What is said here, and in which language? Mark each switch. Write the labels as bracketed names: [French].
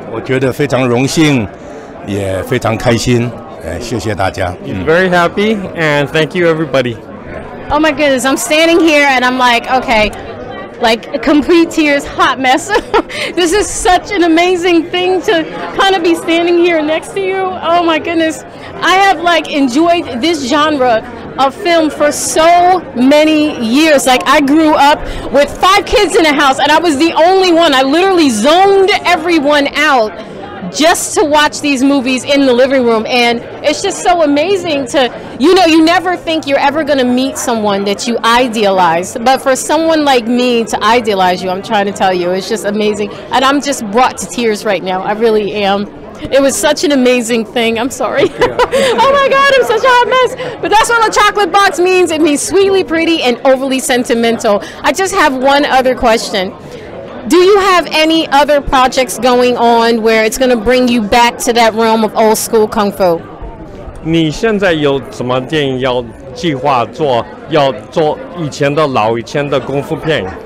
[Chinese] 我觉得非常荣幸，也非常开心。哎，谢谢大家。 [English] He's very happy, and thank you, everybody. Oh my goodness, I'm standing here, and I'm like, okay. Like complete tears, hot mess. This is such an amazing thing to kind of be standing here next to you. Oh my goodness. I have like enjoyed this genre of film for so many years. Like I grew up with five kids in a house and I was the only one. I literally zoned everyone out just to watch these movies in the living room. And it's just so amazing to, you know, you never think you're ever gonna meet someone that you idealize. But for someone like me to idealize you, I'm trying to tell you, it's just amazing. And I'm just brought to tears right now. I really am. It was such an amazing thing. I'm sorry. Oh my God, I'm such a hot mess. But that's what a chocolate box means. It means sweetly pretty and overly sentimental. I just have one other question. Do you have any other projects going on where it's going to bring you back to that realm of old school kung fu? [Chinese] 你现在有什么电影要计划做，要做以前的老以前的功夫片？